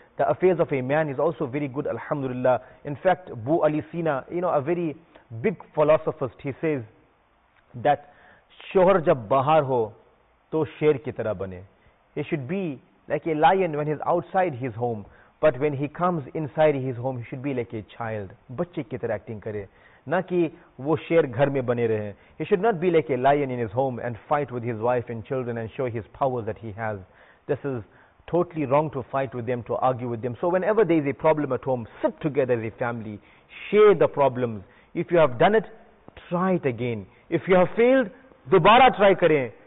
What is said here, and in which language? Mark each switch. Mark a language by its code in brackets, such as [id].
[en] The affairs of a man is also very good, alhamdulillah. In fact, Bu Ali Sina, you know, a very big philosopher, he says that [ur] shohar jab bahar ho to sher ki tarah bane. [en] He should be like a lion when he's outside his home, but when he comes inside his home, he should be like a child. [ur] Bachche ki tarah acting kare. نہ کہ وہ شیر گھر میں بنے رہے. [en] He should not be like a lion in his home and fight with his wife and children and show his power that he has. This is totally wrong to fight with them, to argue with them. So whenever there is a problem at home, sit together as a family, share the problems. If you have done it, try it again. If you have failed, [ur] dobara try karein.